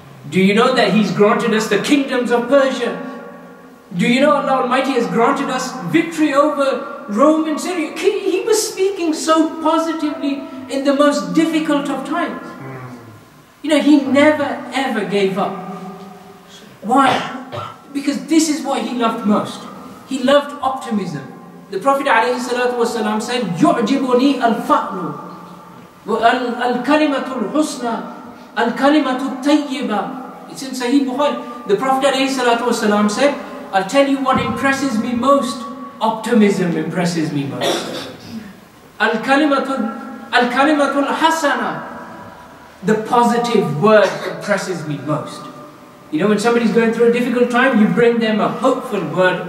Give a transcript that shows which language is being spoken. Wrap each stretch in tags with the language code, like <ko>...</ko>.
<en>Do you know that he's granted us the kingdoms of Persia? Do you know Allah Almighty has granted us victory over Rome and Syria? He was speaking so positively in the most difficult of times. You know, he never ever gave up. Why? Because this is what he loved most. He loved optimism. The Prophet ﷺ said,</en> <ar>يُعْجِبُنِي الْفَأْلُ وَالْكَلِمَةُ الْحُسْنَى الْكَلِمَةُ الطَّيِّبَةُ.</ar> <en>It's in Sahih Bukhari. The Prophet ﷺ said, I'll tell you what impresses me most. Optimism impresses me most.</en> <ar>الْكَلِمَةُ الْحَسَنَى.</ar> <en>The positive word impresses me most. You know, when somebody's going through a difficult time, you bring them a hopeful word.</en>